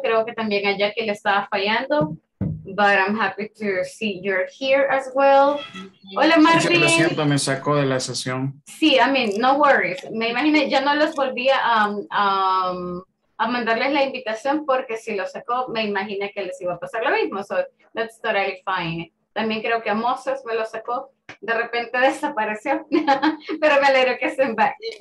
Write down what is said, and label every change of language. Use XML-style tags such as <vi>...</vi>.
<es>Creo que también a Jackie le estaba fallando.</es> <en>But I'm happy to see you're here as well.</en> <es>Hola, Marvin. Lo siento, me sacó de la sesión. Sí,</es> <en>I mean, no worries.</en> <es>Me imagino, ya no los volví a mandarles la invitación porque si lo sacó, me imaginé que les iba a pasar lo mismo. So,</es> <en>that's totally fine.</en> <es>También creo que a Moses me lo sacó. De repente desapareció, pero me alegro que estén</es> <en>back.</en>